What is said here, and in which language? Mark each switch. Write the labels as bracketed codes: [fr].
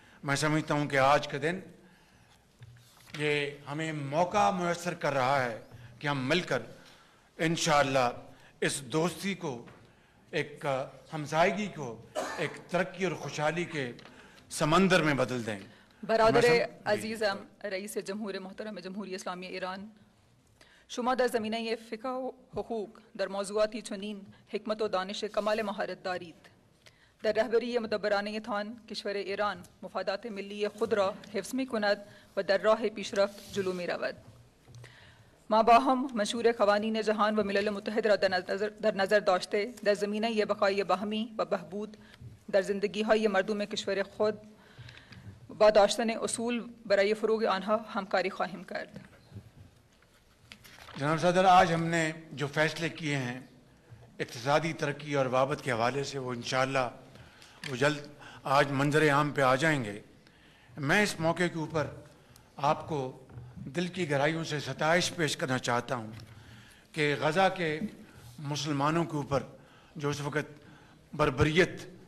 [ur] میں سمجھتا ہوں کہ آج کا دن یہ ہمیں موقع میسر کر رہا ہے کہ ہم مل کر انشاءاللہ اس دوستی کو، ایک ہمسائیگی کو، ایک ترقی اور خوشحالی کے سمندر میں بدل دیں. [fa] برادر عزیزم رئیس جمہور محترم جمہوری اسلامی ایران، شما در زمینه فقہ و حقوق در موضوعاتی چنین حکمت و دانش کمال مہارت دارید. در رهبری مدبرانه تان کشور ایران مفادات ملی خود را حفظ می کند و در راه پیشرفت جلو می رود. ما با هم مشهور قوانین جهان و ملل متحد را در نظر داشته، در زمینه بقای باهمی و بهبود در زندگی های مردم کشور خود با داشتن اصول برای فروغ آنها همکاری خواهیم کرد. [ur] جناب صدر، آج ہم نے جو فیصلے کیے ہیں اقتصادی ترقی اور وابط کے حوالے سے، وہ انشاءاللہ وہ جلد آج منظر عام پہ آ جائیں گے. میں اس موقع کے اوپر آپ کو دل کی گہرائیوں سے ستائش پیش کرنا چاہتا ہوں کہ غزہ کے مسلمانوں کے اوپر جو اس وقت بربریت